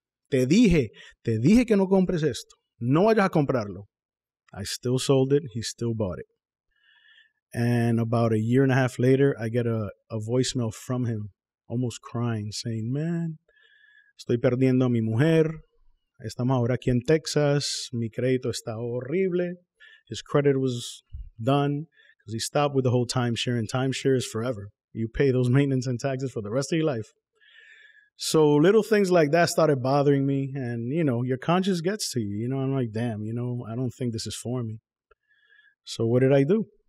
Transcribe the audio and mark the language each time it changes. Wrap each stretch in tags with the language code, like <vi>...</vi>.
<es>Te dije que no compres esto. No vayas a comprarlo.</es> <en>I still sold it. He still bought it. And about a year and a half later, I get a voicemail from him, almost crying, saying, man,</en> <es>estoy perdiendo a mi mujer. Estamos ahora aquí en Texas. Mi crédito está horrible.</es> <en>His credit was done because he stopped with the whole timeshare, and timeshare is forever. You pay those maintenance and taxes for the rest of your life. So little things like that started bothering me, and, you know, your conscience gets to you. You know, I'm like, damn, you know, I don't think this is for me. So what did I do?</en>